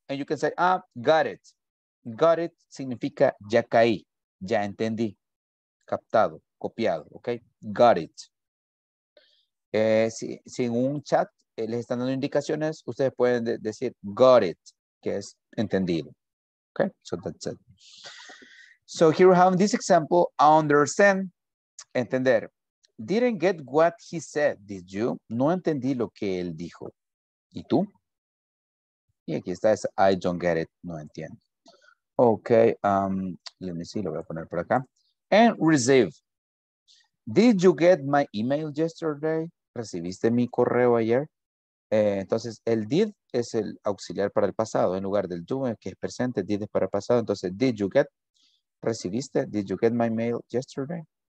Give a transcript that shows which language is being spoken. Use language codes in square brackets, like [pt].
[en] And you can say, got it. Got it [es] significa ya caí. Ya entendí. Captado. Copiado. [en] Okay. Got it. [es] Si en un chat les están dando indicaciones, ustedes pueden decir, got it, que es entendido. [en] Okay, so that's it. So here we have this example, understand, entender. Didn't get what he said, did you? [es] No entendí lo que él dijo. ¿Y tú? Y aquí está, es [en] I don't get it, [es] no entiendo. [en] Okay, let me see, [es] lo voy a poner por acá. [en] And receive. Did you get my email yesterday? [es] ¿Recibiste mi correo ayer? Entonces, el did es el auxiliar para el pasado. En lugar del do, que es presente, did es para el pasado. Entonces, did you get, recibiste, [en] did you get my mail yesterday?